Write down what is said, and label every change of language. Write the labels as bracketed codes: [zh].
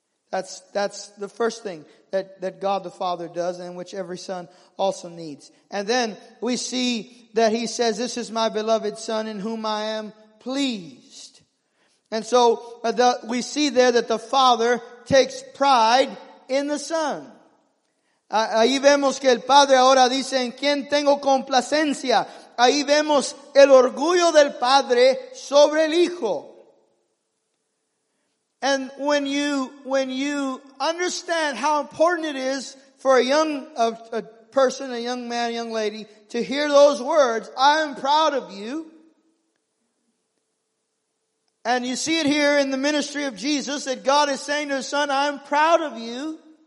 [en] That's the first thing that God the Father does, and which every son also needs. And then we see that he says, "This is my beloved Son in whom I am pleased." And so we see there that the Father takes pride in the Son. [es] Ahí vemos que el Padre ahora dice, "En quien tengo complacencia." Ahí vemos el orgullo del Padre sobre el Hijo. [en] And when you understand how important it is for a young man, a young lady, to hear those words, "I am proud of you." And you see it here in the ministry of Jesus that God is saying to his Son, "I am proud of you.